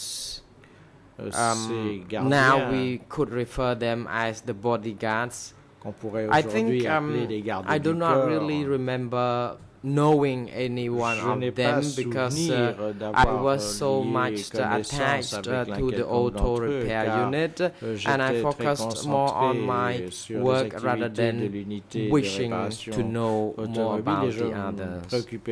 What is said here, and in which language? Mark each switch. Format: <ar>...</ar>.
<en>These guards, now we could refer them as the bodyguards.</en> <fr>Qu'on pourrait aujourd'hui appeler les gardes du corps.</fr> <en>I do not really remember knowing any one of them because I was so much attached to the auto repair unit and I focused more on my work rather than wishing to know more about the others.</en>